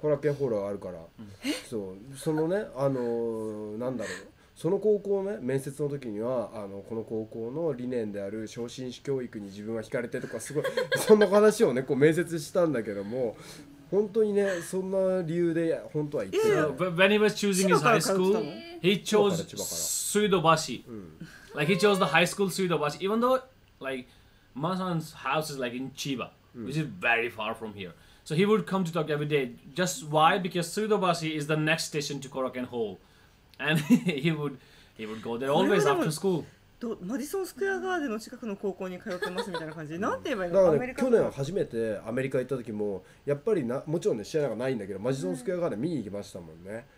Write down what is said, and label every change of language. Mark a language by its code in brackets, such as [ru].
[ja] コラケンホールがあるから。そう。そのね、なんだろう。その高校ね、面接の時にはこの高校の理念である昇進士教育に自分は惹かれてとか、すごいそんな話をねこう面接したんだけども、本当にねそんな理由で本当は言ってない。 [en] When he was choosing his high school, he chose 水道橋、 [ja] うん、 [en] like he chose the high school 水道橋 even though like my son's house is like in Chiba、うん、 which is very far from here, so he would come to talk every day. Just why? Because 水道橋 is the next station to Korakuen Hall. And he would go there always after school. [ja] マディソンスクエアガーデンの近くの高校に通ってますみたいな感じ。なんて言えばいいの？だから去年初めてアメリカ行った時も、やっぱりもちろんね試合なんかないんだけど、マディソンスクエアガーデン見に行きましたもんね。